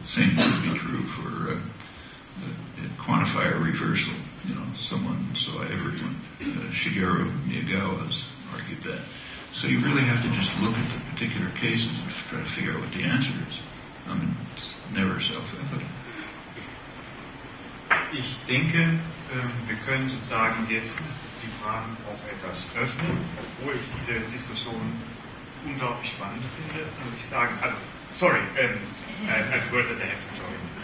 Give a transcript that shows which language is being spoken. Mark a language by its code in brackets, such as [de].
[en] Same could be true for quantifier reversal. You know, someone saw everyone. Shigeru Miyagawa's argued that. So you really have to just look at the particular cases and try to figure out what the answer is. I mean, it's never self-evident. [de] Ich denke, wir können sozusagen jetzt die Fragen auch etwas öffnen, obwohl ich diese Diskussion unglaublich spannend finde. Muss ich sagen, [en] I've heard that they have to join.